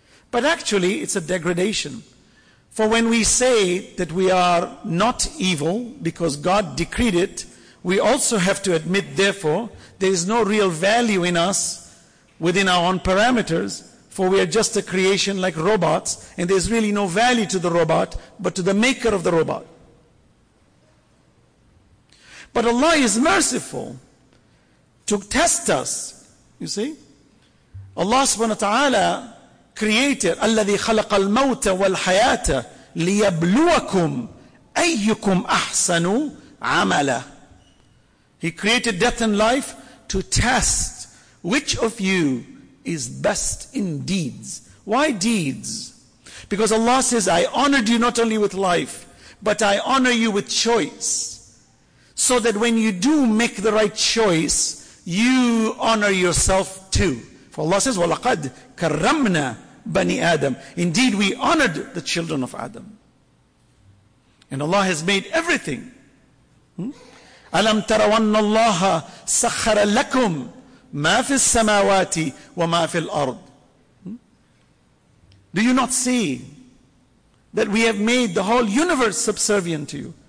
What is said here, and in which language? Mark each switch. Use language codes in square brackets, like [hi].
[en] But actually, it's a degradation. For when we say that we are not evil because God decreed it, we also have to admit, therefore, there is no real value in us within our own parameters, for we are just a creation like robots, and there's really no value to the robot, but to the maker of the robot. But Allah is merciful to test us, you see. Allah subhanahu wa ta'ala created, [ar] الَّذِي خَلَقَ الْمَوْتَ وَالْحَيَاةَ لِيَبْلُوَكُمْ أَيُّكُمْ أَحْسَنُ عَمَلًا. [en] He created death and life to test which of you is best in deeds. Why deeds? Because Allah says, I honored you not only with life, but I honor you with choice. So that when you do make the right choice, you honor yourself too. For Allah says, [ar] وَلَقَدْ كَرَّمْنَا بَنِي آدَمَ. [en] Indeed, we honored the children of Adam. And Allah has made everything. [ar] أَلَمْ تَرَوَنَّ اللَّهَ سَخَّرَ لَكُمْ مَا فِي السَّمَاوَاتِ وَمَا فِي الْأَرْضِ. [en] Do you not see that we have made the whole universe subservient to you?